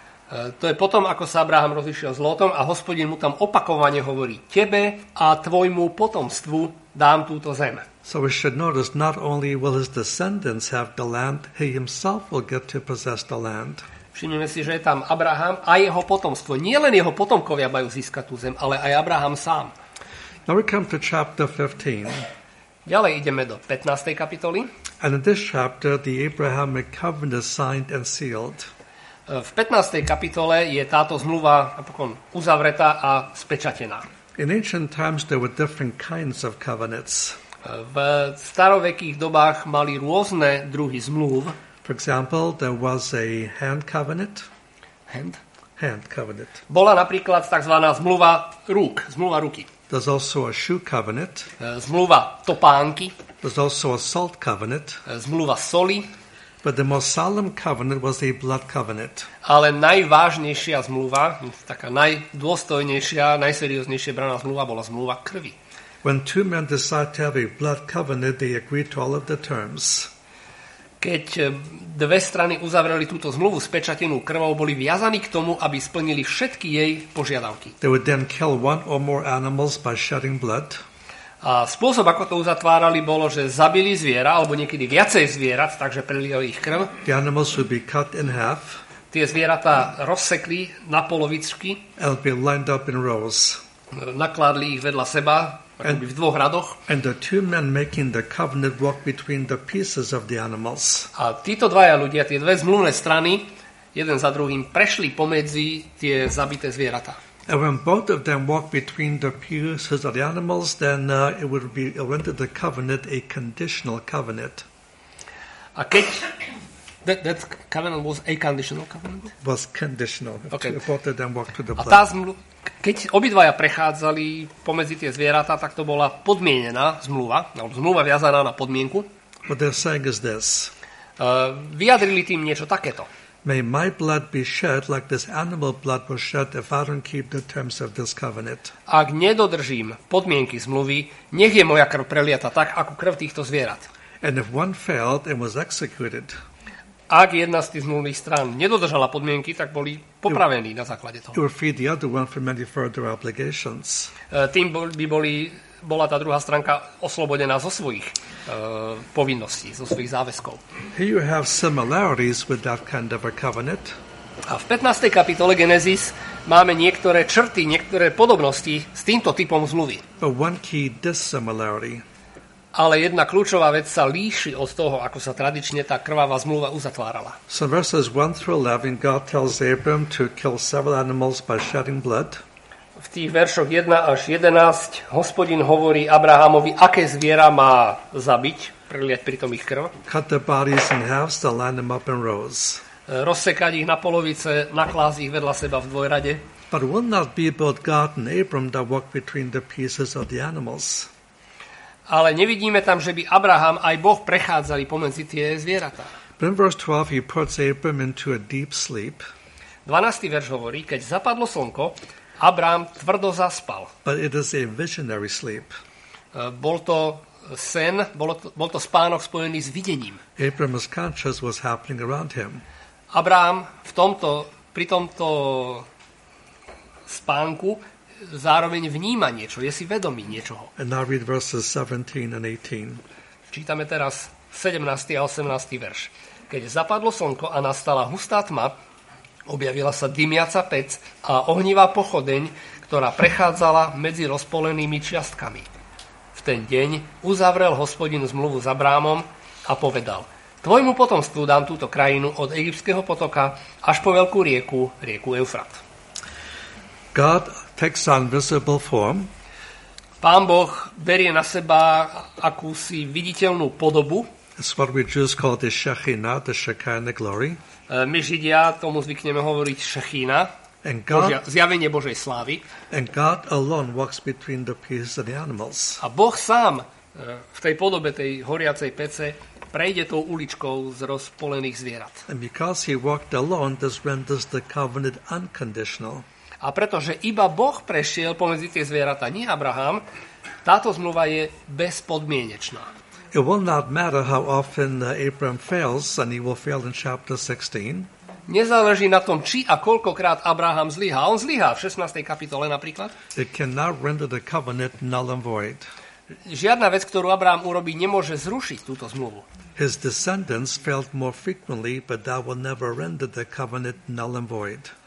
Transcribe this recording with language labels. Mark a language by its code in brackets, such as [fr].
[sk] To je potom, ako sa Abraham rozišiel s Lótom a Hospodin mu tam opakovane hovorí, tebe a tvojmu potomstvu dám túto zem. [en] So we should notice, not only will his descendants have the land, he himself will get to possess the land. [sk] Všimneme si, že je tam Abraham a jeho potomstvo. Nie len jeho potomkovia majú získať tú zem, ale aj Abraham sám. [en] Now we come to chapter 15. [sk] Ďalej ideme do 15. kapitoly. [en] And in this chapter, the Abrahamic covenant is signed and sealed. [sk] V 15. kapitole je táto zmluva napokon uzavretá a spečatená. [en] In ancient times there were different kinds of covenants. [sk] V starovekých dobách mali rôzne druhy zmluv. [en] For example, there was a hand covenant. Hand covenant. [sk] Bola napríklad takzvaná zmluva rúk, zmluva ruky. [en] There's also a shoe covenant. [sk] Zmluva topánky. [en] There's also a salt covenant. [sk] Zmluva soli. [en] But the most solemn covenant was the blood covenant. [sk] Ale najvážnejšia zmluva, taká najdôstojnejšia, najserióznejšia braná zmluva bola zmluva krvi. [en] When two men decide to have a blood covenant, they agreed to all of the terms. [sk] Keď dve strany uzavreli túto zmluvu spečatenú krvou, boli viazaní k tomu, aby splnili všetky jej požiadavky. [en] They would then kill one or more animals by shedding blood. [sk] A spôsob, ako to uzatvárali, bolo, že zabili zviera, alebo niekedy viacej zvierat, takže prelili ich krv. [en] The animals would be cut in half. [sk] Tie zvieratá rozsekli na polovičky. [en] And be lined up in rows. [sk] Nakladli ich vedľa seba, akoby v dvoch radoch. [en] And the two men making the covenant walk between the pieces of the animals. [sk] A títo dvaja ľudia, tie dve zmluvné strany, jeden za druhým, prešli pomedzi tie zabité zvieratá. [en] And when both of them walked between the pieces of the animals, then it rendered the covenant a conditional covenant. [sk] A keď [en] that covenant was a conditional covenant? Was conditional. Okay. Both of them walked to the blood. [sk] A keď obidvaja prechádzali pomedzi tie zvieratá, tak to bola podmienená zmluva, alebo zmluva viazaná na podmienku. [en] What they're saying is this. [sk] Vyjadrili tým niečo takéto. [en] May my blood be shed like this animal blood was shed if I don't keep the terms of this covenant. [sk] Ak nedodržím podmienky zmluvy, nech je moja krv preliata tak, ako krv týchto zvierat. [en] And if one failed, it was executed. [sk] Ak jedna z tých zmluvných strán nedodržala podmienky, tak boli popravení na základe toho. [en] It would feed the other one for many further obligations. [sk] Tým by bola tá druhá stránka oslobodená zo svojich povinností, zo svojich záväzkov. [en] Here you have similarities with that kind of a covenant. [sk] A v 15. kapitole Genesis máme niektoré črty, niektoré podobnosti s týmto typom zmluvy. [en] But one key dissimilarity. [sk] Ale jedna kľúčová vec sa líši od toho, ako sa tradične tá krvavá zmluva uzatvárala. [en] So verses 1 through 11, God tells Abram to kill several animals by shedding blood. [sk] V tých veršoch 1 až 11 Hospodin hovorí Abrahamovi, aké zviera má zabiť, preliať pritom ich krv. [en] Cut the bodies in half, so line them up in rows. [sk] Rozsekať ich na polovice, naklásť ich vedľa seba v dvojrade. [en] But will not be both God and Abram that walk between the pieces of the animals. [sk] Ale nevidíme tam, že by Abraham aj Boh prechádzali pomedzi tie zvieratá. [en] In verse 12 he puts Abram into a deep sleep. [sk] 12. verš hovorí, keď zapadlo slnko, Abraham tvrdo zaspal. [en] But it is a visionary sleep. [sk] Bol to sen, bol to spánok spojený s videním. [en] Abraham was conscious what's happening around him. [sk] Abraham pri tomto spánku zároveň vníma niečo, je si vedomý niečoho. [en] And now read verses 17 and 18. [sk] Čítame teraz 17. a 18. verš. Keď zapadlo slnko a nastala hustá tma, objavila sa dymiaca pec a ohnivá pochodeň, ktorá prechádzala medzi rozpolenými čiastkami. V ten deň uzavrel Hospodin zmluvu s Abrámom a povedal, tvojmu potomstvu dám túto krajinu od Egyptského potoka až po veľkú rieku, rieku Eufrat. [en] God takes on visible form. [sk] Pán Boh berie na seba akúsi viditeľnú podobu. [en] It's what we Jews call the Shekhinah, the Shekinah glory. [sk] My Židia tomu zvykneme hovoriť Shekhina, zjavenie Božej slávy. [en] And God alone walks between the pieces of the animals. [sk] A Boh sám v tej podobe tej horiacej pece prejde tou uličkou z rozpolených zvierat. [en] And because he walked alone, this renders the covenant unconditional. [sk] A pretože iba Boh prešiel pomedzi tie zvieratá, nie Abraham, táto zmluva je bezpodmienečná. [en] It will not matter how often Abraham fails, and he will fail in chapter 16. [sk] Nezáleží na tom, či a koľkokrát Abraham zlyhá. On zlyhá v 16. kapitole napríklad. [en] It cannot render the covenant null and void. [sk] Žiadna vec, ktorú Abraham urobí, nemôže zrušiť túto zmluvu. [en] His descendants failed more frequently, but that will never render the covenant null and void.